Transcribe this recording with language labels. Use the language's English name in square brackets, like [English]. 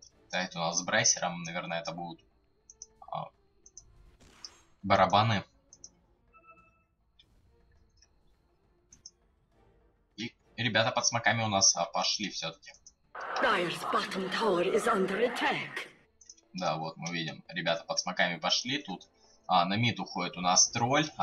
[Russian] Тайт у нас с Брайсером, наверное, это будут барабаны. И ребята под смоками у нас пошли все-таки. [English] Dire's bottom tower is under attack. [Russian] Да, вот мы видим, ребята под смоками пошли тут. На мид уходит у нас тролль.